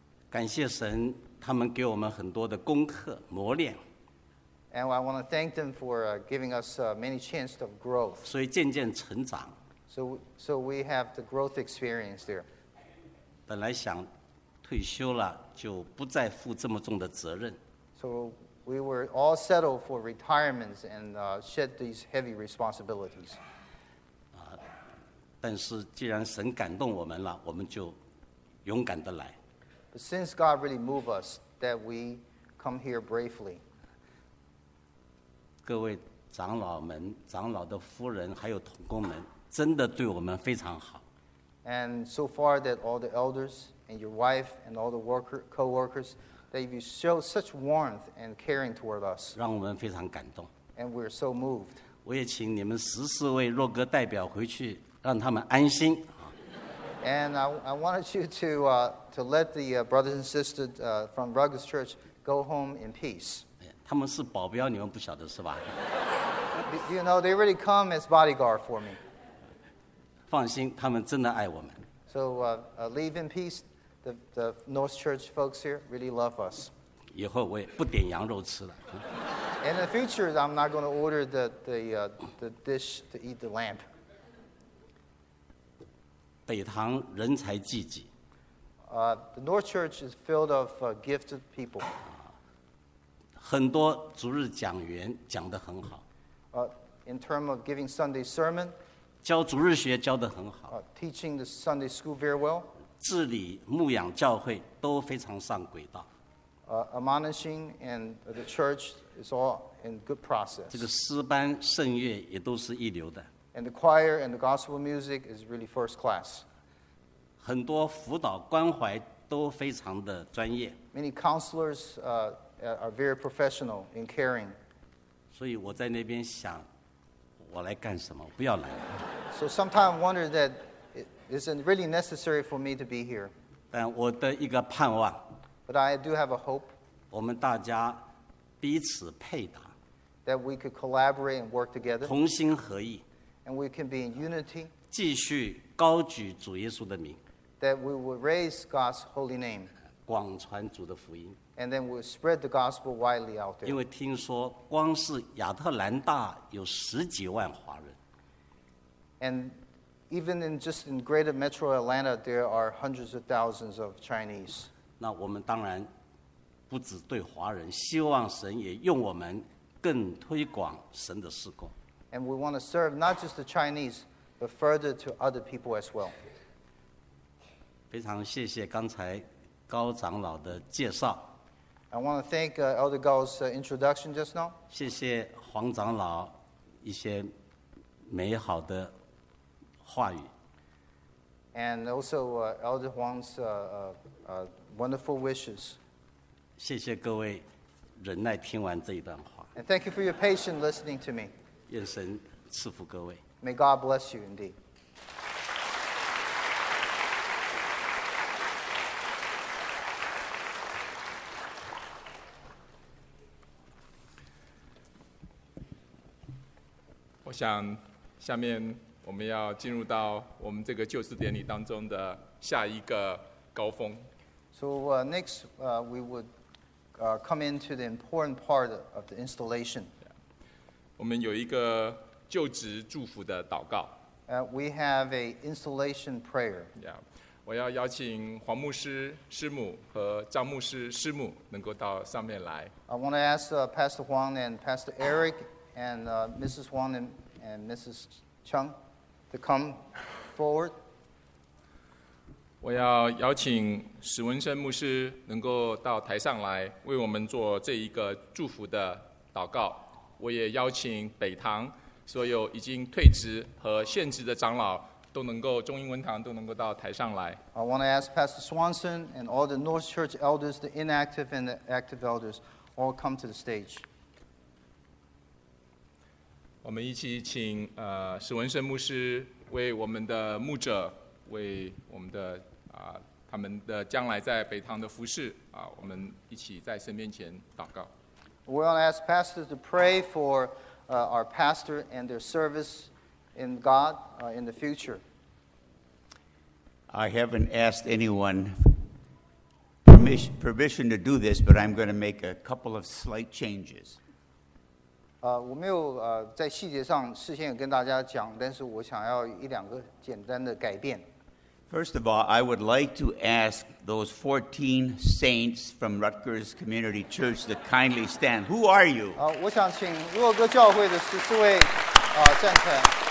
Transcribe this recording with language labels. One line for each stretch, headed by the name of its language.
Chinese: 感谢神，他们给我们很多的功课磨练。
English: And I want to thank them for giving us many chances of growth.
Chinese: 所以渐渐成长。
English: So we have the growth experience there.
Chinese: 本来想退休了就不再负这么重的责任。
English: So we were all settled for retirement and shed these heavy responsibilities.
Chinese: 但是既然神感动我们了，我们就勇敢地来。
English: But since God really moved us, that we come here bravely.
Chinese: 各位长老们、长老的夫人还有同工们。真的对我们非常好。
English: And so far that all the elders and your wife and all the worker, co-workers, that you show such warmth and caring toward us.
Chinese: 让我们非常感动。
English: And we're so moved.
Chinese: 我也请你们14位若歌代表回去让他们安心。
English: And I wanted you to let the brothers and sisters from Ruggles Church go home in peace.
Chinese: 他们是保镖你们不晓得是吧
English: You know, they already come as bodyguard for me.
Chinese: 放心他们真的爱我们。
English: So leave in peace. The North Church folks here really love us.
Chinese: 以后我也不点羊肉吃了。
English: In the future, I'm not going to order the dish to eat the lamb.
Chinese: 北堂人才济济。
English: The North Church is filled of gifted people.
Chinese: 很多主日讲员讲得很好。
English: In terms of giving Sunday sermon,
Chinese: 教主日学教得很好。
English: Teaching the Sunday school very well.
Chinese: 治理牧养教会都非常上轨道。
English: Admonishing and the church is all in good process.
Chinese: 这个诗班圣乐也都是一流的。
English: And the choir and the gospel music is really first class.
Chinese: 很多辅导关怀都非常的专业。
English: Many counselors are very professional in caring.
Chinese: 所以我在那边想我来干什么不要来。
English: So sometimes I wonder that is it really necessary for me to be here?
Chinese: 但我的一个盼望
English: But I do have a hope.
Chinese: 我们大家彼此配搭
English: That we could collaborate and work together.
Chinese: 同心合意
English: And we can be in unity.
Chinese: 继续高举主耶稣的名
English: That we will raise God's holy name.
Chinese: 广传主的福音
English: And then we'll spread the gospel widely out there.
Chinese: 因为听说光是亚特兰大有十几万华人
English: AndEven in just in greater metro Atlanta, there are hundreds of thousands of Chinese.
Chinese: 那我们当然不只对华人，希望神也用我们更推广神的事工。
English: And we want to serve not just the Chinese, but further to other people as well.
Chinese: 非常谢谢刚才高长老的介绍。
English: I want to thank Elder Gao's introduction just now.
Chinese: 谢谢黄长老一些美好的。话语
English: And also Elder Huang's wonderful wishes.
Chinese: 谢谢各位忍耐听完这一段话
English: And thank you for your patient listening to me.
Chinese: 愿神赐福各位
English: May God bless you indeed.
Chinese: I 想下面我们要进入到我们这个就职典礼当中的下一个高峰。
English: So next, we would come into the important part of the installation. Yeah.
Chinese: 我们有一个就职祝福的祷告。
English: We have a installation prayer.
Chinese: Yeah. 我要邀请黄牧师师母和张牧师师母能够到上面来。
English: I want to ask Pastor Huang and Pastor Eric and Mrs. Huang and Mrs. Chung. To come forward.
Chinese: 我要邀请史文生牧师能够到台上来为我们做这一个祝福的祷告。我也邀请北堂所有已经退职和现职的长老都能够中英文堂都能够到台上来。
English: I want to ask Pastor Swanson and all the North Church elders, the inactive and the active elders, all come to the stage.
Chinese: 我们一起请史文生牧师为我们的牧者，为我们的他们的将来在北堂的服事我们一起在神面前祷告。
English: We want to ask pastors to pray for our pastor and their service in God in the future. I haven't asked anyone permission to do this, but I'm going to make a couple of slight changes.
Chinese: 我没有在细节上事先有跟大家讲，但是我想要一两个简单的改变。
English: First of all, I would like to ask those 14 saints from Rutgers Community Church to kindly stand. Who are you?
Chinese: 我想请若歌教会的十四位站起来。